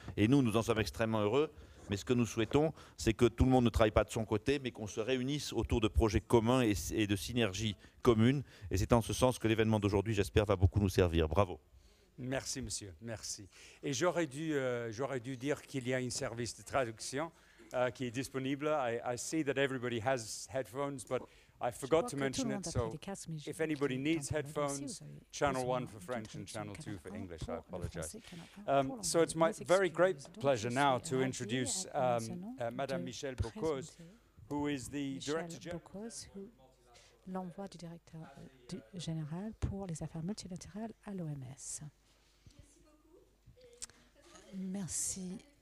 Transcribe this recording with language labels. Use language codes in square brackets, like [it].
[fr] Et nous, nous en sommes extrêmement heureux. Mais ce que nous souhaitons, c'est que tout le monde ne travaille pas de son côté, mais qu'on se réunisse autour de projets communs et de synergies communes. Et c'est en ce sens que l'événement d'aujourd'hui, j'espère, va beaucoup nous servir. Bravo. Merci, monsieur. Merci. Et j'aurais dû dire qu'il y a un service de traduction qui est disponible. [en] I see that everybody has headphones, but I forgot to mention it. So if anybody needs headphones, channel 1 for French and channel 2 for English. I apologize. So it's my very great pleasure now to introduce Madame Michelle Bocuse, who is the Director General. [fr] L'envoie du directeur général pour les affaires multilatérales à l'OMS. Merci.